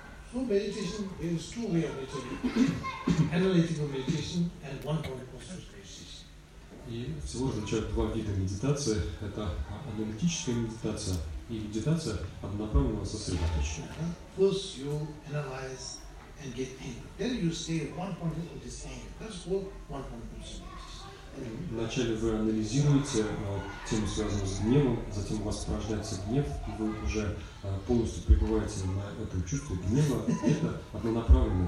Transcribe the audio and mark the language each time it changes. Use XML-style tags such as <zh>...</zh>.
<en>So meditation is two ways of meditation: analytical meditation and one-point concentration.</en> <ru>И всего различают два вида медитации: это аналитическая медитация и медитация однонаправленного сосредоточения.</ru> <en>First you analyze and get angry. Then you say one point of this anger. That's called one-point concentration.</en> <ru>Вначале вы анализируете тему, связанную с гневом, затем у вас порождается гнев, и вы уже полностью пребываете на этом чувстве гнева, это однонаправленное</ru>